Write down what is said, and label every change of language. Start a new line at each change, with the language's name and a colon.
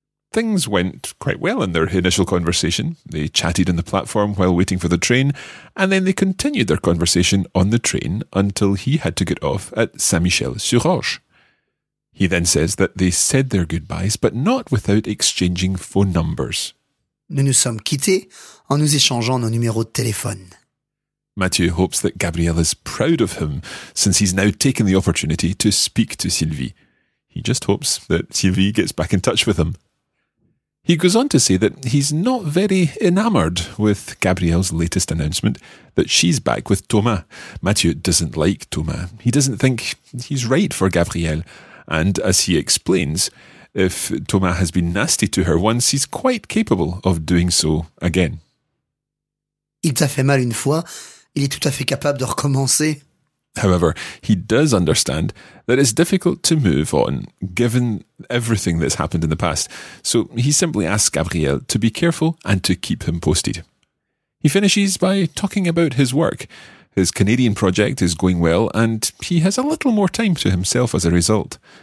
English: Things went quite well in their initial conversation. They chatted on the platform while waiting for the train, and then they continued their conversation on the train until he had to get off at Saint-Michel-sur-Orge. He then says that they said their goodbyes, but not without exchanging phone numbers.
French: Nous nous sommes quittés en nous échangeant nos numéros de téléphone.
English: Mathieu hopes that Gabrielle is proud of him, since he's now taken the opportunity to speak to Sylvie. He just hopes that Sylvie gets back in touch with him. He goes on to say that he's not very enamoured with Gabrielle's latest announcement that she's back with Thomas. Mathieu doesn't like Thomas. He doesn't think he's right for Gabrielle. And as he explains, if Thomas has been nasty to her once, he's quite capable of doing so again.
French: Il t'a fait mal une fois, il est tout à fait capable de recommencer.
English: However, he does understand that it's difficult to move on, given everything that's happened in the past. So he simply asks Gabrielle to be careful and to keep him posted. He finishes by talking about his work. His Canadian project is going well, and he has a little more time to himself as a result.